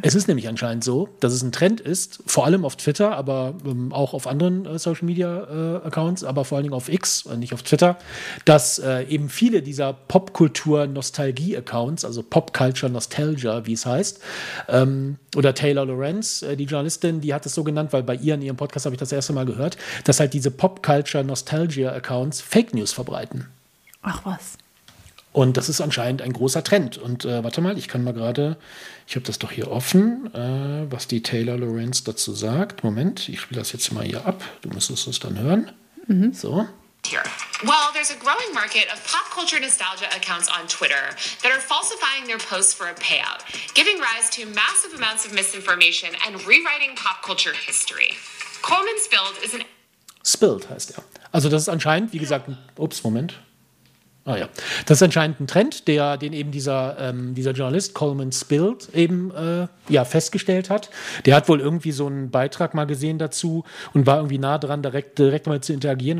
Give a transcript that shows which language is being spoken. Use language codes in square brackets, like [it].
[de] Es ist nämlich anscheinend so, dass es ein Trend ist, vor allem auf Twitter, aber auch auf anderen Social-Media-Accounts, aber vor allen Dingen auf X, nicht auf Twitter, dass eben viele dieser Popkultur-Nostalgie-Accounts, also Pop-Culture-Nostalgia, wie es heißt, oder Taylor Lorenz, die Journalistin, die hat es so genannt, weil bei ihr in ihrem Podcast habe ich das erste Mal gehört, dass halt diese Pop-Culture-Nostalgia-Accounts Fake News verbreiten. Ach was. Und das ist anscheinend ein großer Trend. Und warte mal, ich kann mal gerade, ich habe das doch hier offen, was die Taylor Lorenz dazu sagt. Moment, ich spiele das jetzt mal hier ab. Du müsstest es dann hören. Mhm. So. [en] Well, there's a growing market of pop culture nostalgia accounts on Twitter that are falsifying their posts for a payout, giving rise to massive amounts of misinformation and rewriting pop culture history. Coleman Spilled is an... [de] Spilled heißt er. Also das ist anscheinend, wie gesagt, Moment. Ah ja, das ist anscheinend ein Trend, den eben dieser Journalist Coleman Spilled eben festgestellt hat. Der hat wohl irgendwie so einen Beitrag mal gesehen dazu und war irgendwie nah dran, direkt mal zu interagieren.